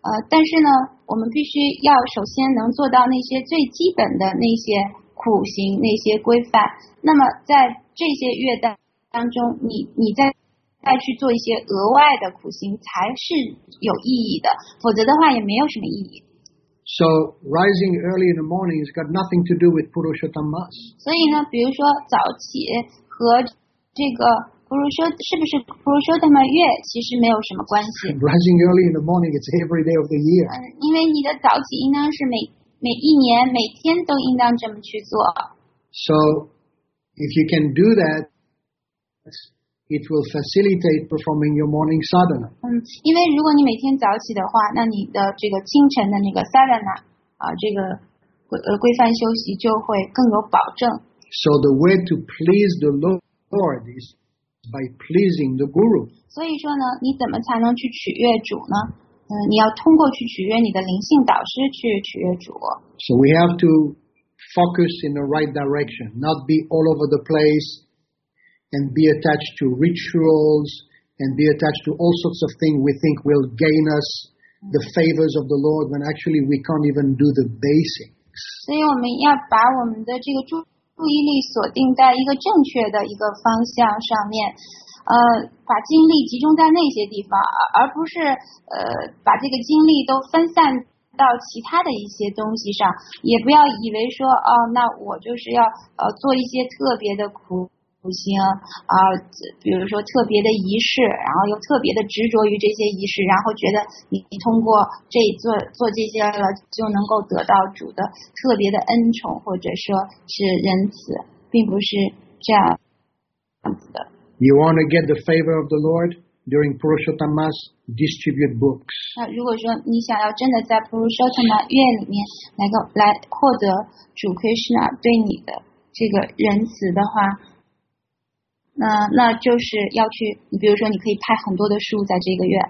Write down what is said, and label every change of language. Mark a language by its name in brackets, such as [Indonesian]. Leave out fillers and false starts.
[Chinese] 但是呢，我们必须要首先能做到那些最基本的那些苦行那些规范。那么在这些月的当中，你再去做一些额外的苦行才是有意义的，否则的话也没有什么意义。 [English] So rising early in the morning has got nothing to do with Purushottama. [Chinese] 所以呢，比如说早起和这个Purushottama月其实没有什么关系。 [English] Rising early in the morning is every day of the year. [Chinese] 因为你的早起应当是每一年每天都应当这么去做。 [English] So if you can do that, it will facilitate performing your morning sadhana. [Chinese] 因为如果你每天早起的话，那你的这个清晨的那个 sadhana 啊，这个规范休息就会更有保证。 [English] So the way to please the Lord is by pleasing the Guru. [Chinese] 所以说呢，你怎么才能去取悦主呢？你要通过去取悦你的灵性导师去取悦主。 [English] So we have to focus in the right direction, not be all over the place and be attached to rituals and be attached to all sorts of things we think will gain us the favors of the Lord when actually we can't even do the basics. [Chinese] 所以我们要把我们的这个注意力锁定在一个正确的一个方向上面。把精力集中在那些地方，而不是把这个精力都分散到其他的一些东西上，也不要以为说哦，那我就是要做一些特别的苦行比如说特别的仪式，然后又特别的执着于这些仪式，然后觉得你通过这做这些了，就能够得到主的特别的恩宠或者说是仁慈，并不是这样子的。 [English] You want to get the favor of the Lord during Purushottam Mass? Distribute books. [Chinese] 那如果说你想要真的在 Purushottam 月里面来获得主 Krishna 对你的这个仁慈的话，那就是要去，你比如说你可以派很多的书在这个月。